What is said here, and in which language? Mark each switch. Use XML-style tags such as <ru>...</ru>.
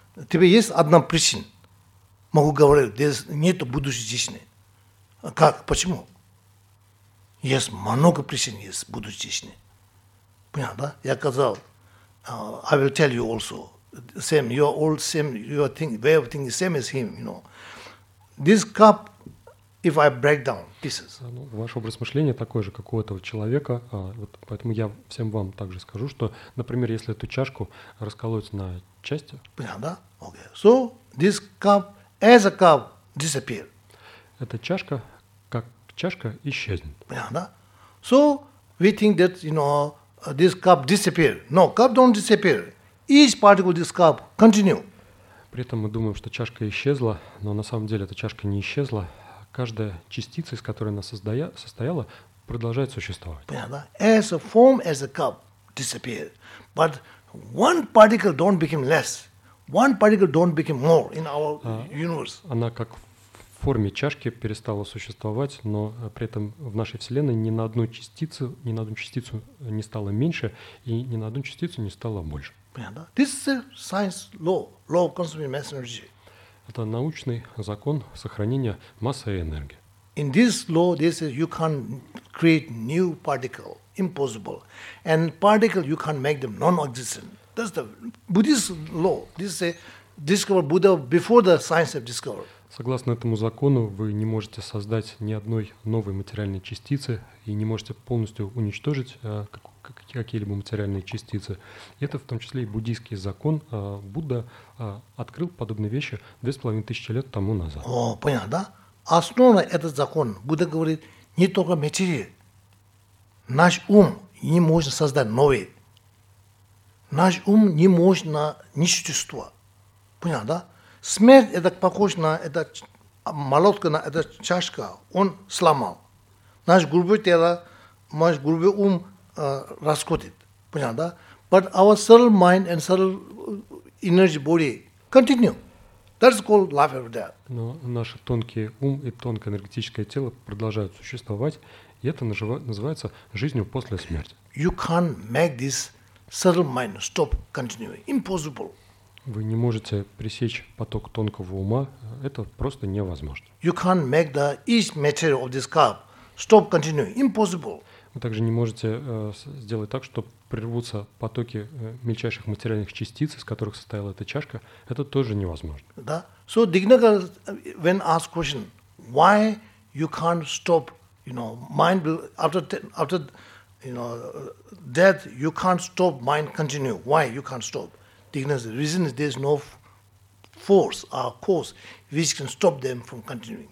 <ru>Тебе есть одна причина. Могу говорить, здесь нет будущего жизни. Как? Почему? Есть много причин есть будущего жизни. Понял, да? Я сказал,</ru> <en>I will tell you also, same, you are all same, your thing, way of thinking, same as him, you know. This cup, if I break down pieces.</en> <ru>Ваш образ мышления такой же, как у этого человека. Вот поэтому я всем вам также скажу, что, например, если эту чашку расколоть на части. Понятно, да?</ru> <en>Okay. So this cup as a cup disappear.</en> <ru>Эта чашка, как чашка, исчезнет. Понятно, да?</ru> <en>So we think that, you know, this cup disappear. No, cup don't disappear. Each particle of this cup continue.</en> <ru>При этом мы думаем, что чашка исчезла, но на самом деле эта чашка не исчезла. Каждая частица, из которой она состояла, продолжает существовать. Понятно, да?</ru> <en>As a form, as a cup, disappear. But one particle don't become less. One particle don't become more in our universe.</en> <ru>Она как в форме чашки перестала существовать, но при этом в нашей Вселенной ни на одну частицу не стало меньше, и ни на одну частицу не стало больше. Понятно, да?</ru> <en>This is a science law, law of conserving mass energy.</en> <ru>Это научный закон сохранения массы и энергии.</ru> <en>In this law, they say you can't create new particle, impossible. And particle, you can't make them non-existent. That's the Buddhist law. They say, discover Buddha before the science have discovered.</en> <ru>Согласно этому закону, вы не можете создать ни одной новой материальной частицы и не можете полностью уничтожить какие-либо материальные частицы. Это в том числе и буддийский закон. Будда открыл подобные вещи 2500 лет тому назад. О, понятно, да? Основано этот закон. Будда говорит, не только материя. Наш ум не может создать новый. Наш ум не может на ничтожество. Понятно, да? Смерть – это похоже на это молотка, на эту чашку, он сломал. Наш грубый тело, наш грубый ум расходит. Понятно, да?</ru> <en>But our subtle mind and subtle energy body continue. That's called life after death.</en> <ru>Но наши тонкие ум и тонкое энергетическое тело продолжают существовать, и это называется жизнью после смерти.</ru> <en>You can't make this subtle mind stop continuing. Impossible.</en> <ru>Вы не можете пресечь поток тонкого ума, это просто невозможно.</ru> <en>You can't make the each material of this cup stop continuing. Impossible.</en> <ru>Вы также не можете сделать так, чтобы прервутся потоки мельчайших материальных частиц, из которых состояла эта чашка, это тоже невозможно. Да.</ru> <en>So Dignagar when asked question, why you can't stop, you know, mind will after you know death you can't stop mind continue. Why you can't stop? The reason is there's no force or cause which can stop them from continuing.</en>